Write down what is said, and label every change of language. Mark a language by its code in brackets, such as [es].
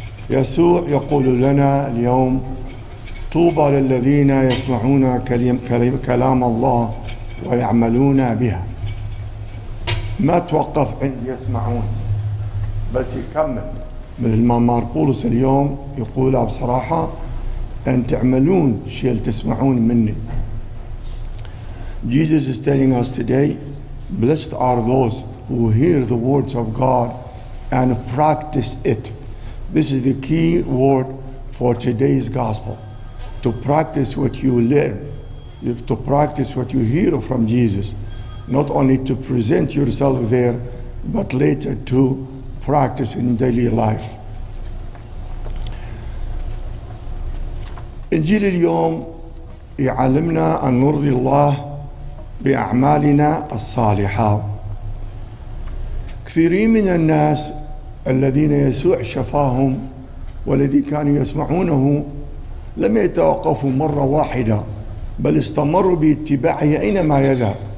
[ar] يسوع يقول لنا اليوم طوبى للذين يسمعون كلام الله ويعملون بها. ما توقف عند يسمعون بس يكمل، مثل ما ماركولوس اليوم يقولها بصراحه، ان تعملون شيء تسمعون مني. [en] Jesus is telling us today, blessed are those who hear the words of God and practice it. This is the key word for today's gospel. To practice what you learn, to practice what you hear from Jesus. Not only to present yourself there, but later to practice in daily life. [ar] إنجيل اليوم يعلمنا أن نرضي الله بأعمالنا الصالحة. كثيرين من الناس الذين يسوع شفاهم والذي كانوا يسمعونه لم يتوقفوا مرة واحدة، بل استمروا باتباعه أينما يذهب.